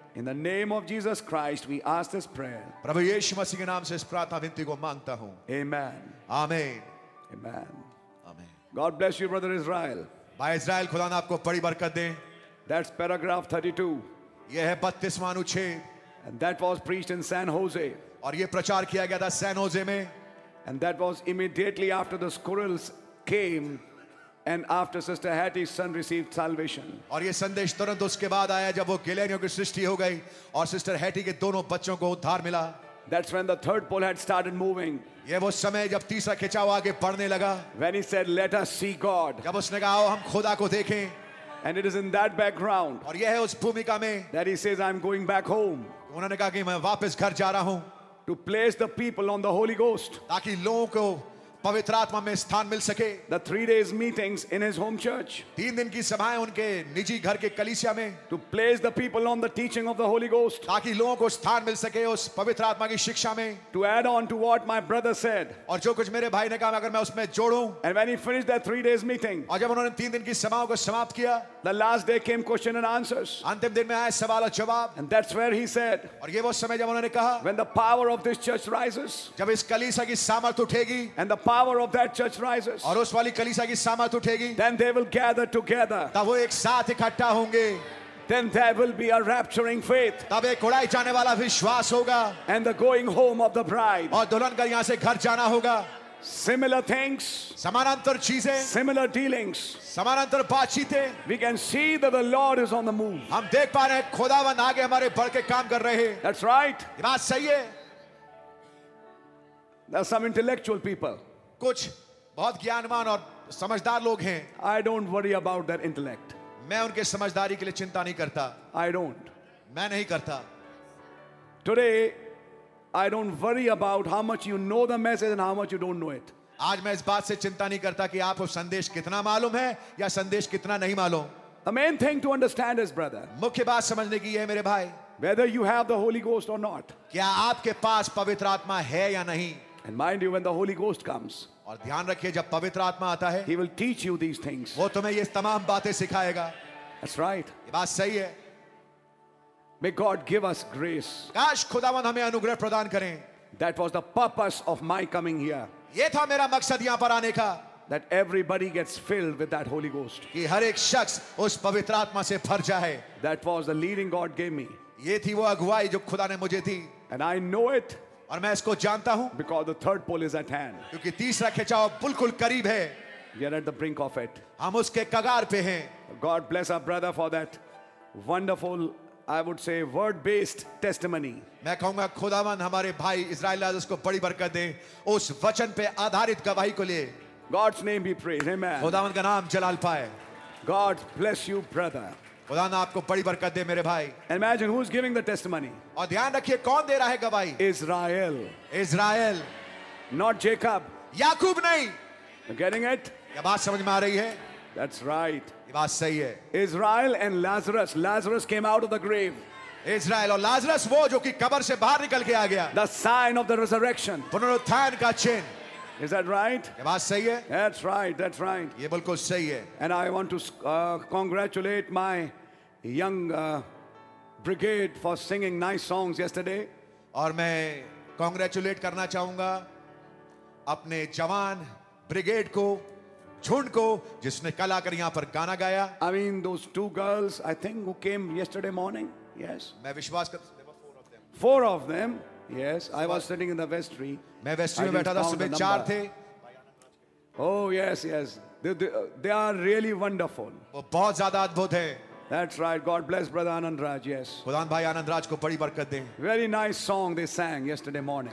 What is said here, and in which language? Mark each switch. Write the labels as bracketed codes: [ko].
[en] In the name of Jesus Christ, we ask this prayer. [hi] प्रभु यीशु मसीह के नाम से इस प्रार्थना विनती को मांगता हूँ. [en] Amen. Amen. Amen. Amen. God bless you, brother Israel. [hi] भाई इज़राइल खुदा ने आपको बड़ी बरकत दे. [en] That's paragraph 32. [hi] यह है 32वां अनुच्छेद. [en] And that was preached in San Jose. [hi] और ये प्रचार किया गया था सैन होजे में. [en] And that was immediately after the squirrels came. And after Sister Hattie's son received salvation. [hi] और ये संदेश तुरंत उसके बाद आया जब वो गिलहरियों की सृष्टि हो गई और सिस्टर हैटी के दोनों बच्चों को उद्धार मिला. [en] That's when the third pole had started moving. [hi] ये वो समय जब तीसरा खिंचाव आगे बढ़ने लगा. [en] When he said, "Let us see God." [hi] जब उसने कहा, आओ हम खुदा को देखें. [en] And it is in that background. [hi] और ये है उस भूमिका में. [en] That he says, "I'm going back home." [hi] उन्होंने कहा कि मैं वापस घर जा रहा हूँ. [en] To place the people on the Holy Ghost. [hi] ताकि लोगों को पवित्र आत्मा में स्थान मिल सके. [en] The 3 days meetings in his home church. [hi] 3 दिन की सभाएं उनके निजी घर के कलीसिया में. [en] To place the people on the teaching of the Holy Ghost. [hi] ताकि लोगों को स्थान मिल सके उस पवित्र आत्मा की शिक्षा में. [en] To add on to what my brother said. [hi] और जो कुछ मेरे भाई ने कहा अगर मैं उसमें जोड़ूं. [en] And when he finished that 3 days meeting. [hi] और जब उन्होंने 3 दिन की सभाओं को समाप्त किया. [en] The last day came question and answers. [hi] अंतिम दिन में आए सवाल और जवाब. [en] And that's where he said. [hi] और ये वो समय जब उन्होंने कहा. [en] When the power of this church rises. [hi] जब इस कलीसिया की सामर्थ्य उठेगी. [en] And the power of that church rises. [hi] और उस वाली कलीसिया की सामर्थ्य उठेगी. [en] Then they will gather together. [hi] तब वो एक साथ इकट्ठा होंगे. [en] Then there will be a rapturing faith. [hi] तब एक उड़ाई जाने वाला विश्वास होगा. [en] And the going home of the bride. [hi] और दुल्हन का यहाँ से घर जाना होगा. [en] Similar things, [hi] समानांतर चीजें, [en] similar dealings, [hi] समानांतर बातचीतें. [en] We can see that the Lord is on the move. [hi] हम देख पा रहे हैं खुदावन आगे हमारे बढ़ के काम कर रहे हैं. [en] That's right. [hi] ये बात सही है. [en] There are some intellectual people. [hi] कुछ बहुत ज्ञानवान और समझदार लोग हैं. [en] I don't worry about their intellect. [hi] मैं उनके समझदारी के लिए चिंता नहीं करता. [en] I don't. [hi] मैं नहीं करता. [en] Today. I don't worry about how much you know the message and how much you don't know it. [hi] आज मैं इस बात से चिंता नहीं करता कि आपको संदेश कितना मालूम है या संदेश कितना नहीं मालूम. [en] The main thing to understand is, brother. [hi] मुख्य बात समझने की है मेरे भाई. [en] Whether you have the Holy Ghost or not. [hi] क्या आपके पास पवित्र आत्मा है या नहीं. [en] And mind you, when the Holy Ghost comes. [hi] और ध्यान रखिए जब पवित्र आत्मा आता है. [en] He will teach you these things. [hi] वो तुम्हें ये तमाम बातें सिखाएगा. [en] That's right. [hi] ये बात सही है. [en] May God give us grace. [hi] काश खुदावन हमें अनुग्रह प्रदान करें. [en] That was the purpose of my coming here. [hi] ये था मेरा मकसद यहाँ पर आने का. [en] that everybody gets filled with that Holy Ghost. [hi] Ki har ek shakhs us pavitra atma se bhar jaye. [en] That was the leading God gave me. [hi] Ye thi wo agwai jo khuda ne mujhe di. [en] And I know it. [hi] Aur main isko janta hu. [en] Because the third pole is at hand. [hi] Kyunki teesra khichao bilkul kareeb hai. [en] We are at the brink of it. [hi] Hum uske kagar pe hain. [en] God bless our brother for that wonderful, I would say, word-based testimony. [hi] मैं कहूँगा खुदावन हमारे भाई Israel आज उसको बड़ी बरकत दें उस वचन पे आधारित गवाही को लिए. [en] God's name be praised. Amen. [hi] खुदावन का नाम जलाल पाए. [en] God bless you, brother. [hi] खुदा ने आपको बड़ी बरकत दे मेरे भाई. [en] Imagine who's giving the testimony. [hi] और ध्यान रखिए कौन दे रहा है गवाही. [en] Israel. Israel. Not Jacob. [hi] याकूब नहीं. [en] You're getting it? [hi] ये बात समझ में आ रही है. [en] That's right. [hi] बात सही है. [en] Israel and Lazarus. Lazarus came out of the grave. [hi] Israel और Lazarus वो जो कि कब्र से बाहर निकल के आ गया. [en] The sign of the resurrection. [hi] पुनरुत्थान का चिन्ह. [en] Is that right? [hi] ये बात सही है. [en] That's right. That's right. [hi] ये बिल्कुल सही है. [en] And I want to congratulate my young brigade for singing nice songs yesterday. [hi] और मैं congratulate करना चाहूँगा अपने जवान ब्रिगेड को झुंड को जिसने कल आकर यहाँ पर गाना गाया. [en] I mean those two girls, I think who came yesterday morning. Yes. [hi] मैं विश्वास कर. [en] Four of them. Yes. I was sitting in the vestry. [hi] मैं वेस्ट्री में बैठा था. सुबह चार थे. [en] Oh yes, yes. They are really wonderful. [hi] वो बहुत ज़्यादा अद्भुत हैं. [en] That's right. God bless brother Anand Raj. Yes. [hi] खुदान भाई आनंद राज को बड़ी बरकत दें. [en] Very nice song they sang yesterday morning.